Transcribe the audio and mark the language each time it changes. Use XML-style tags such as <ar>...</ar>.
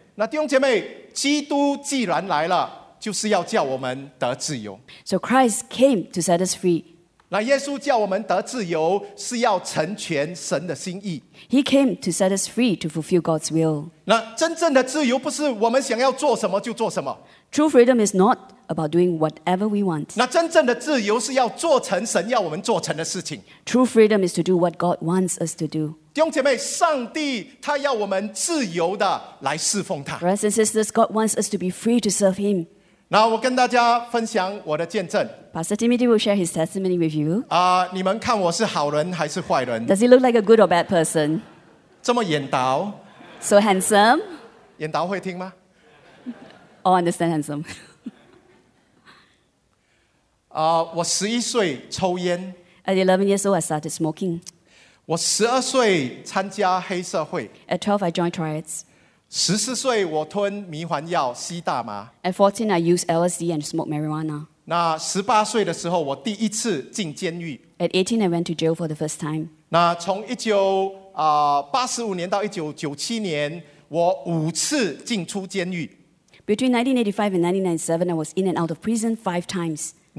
<zh>那弟兄姐妹, 基督既然来了, 就是要叫我们得自由。</zh> <en>So Christ came to set us free.</en> <zh>那耶稣叫我们得自由, 是要成全神的心意。</zh> <en>He came to set us free to fulfill God's will.</en> <zh>那真正的自由不是我们想要做什么就做什么。</zh> <en>True freedom is not about doing whatever we want.</en> <zh>那真正的自由是要做成神要我们做成的事情。</zh> <en>True freedom is to do what God wants us to do.</en> <zh>弟兄姐妹, 上帝祂要我们自由地来侍奉祂。</zh> <en>Brothers and sisters, God wants us to be free to serve Him.</en> <zh>那我跟大家分享我的见证。</zh> <en>Pastor Timothy will share his testimony with you.</en> <zh>你们看我是好人还是坏人?</zh> <en>Does he look like a good or bad person?</en> <zh>这么眼倒?</zh> <en>So handsome?</en> <zh>眼倒会听吗?</zh> <en>All understand handsome.</en> <zh>我11岁抽烟。</zh> <en>At 11 years old, I started smoking.</en> <zh>我12岁参加黑社会。</zh> <en>At 12, I joined triads.</en> <zh>14岁我吞迷幻药吸大麻。</zh> <en>At 14, I used LSD and smoked marijuana.</en> <zh>那18岁的时候我第一次进监狱。</zh> <en>At 18, I went to jail for the first time.</en> <zh>那从1985年到1997年, 我5次进出监狱。</zh> <en>Between 1985 and 1997, I was in and out of prison 5 times.</en>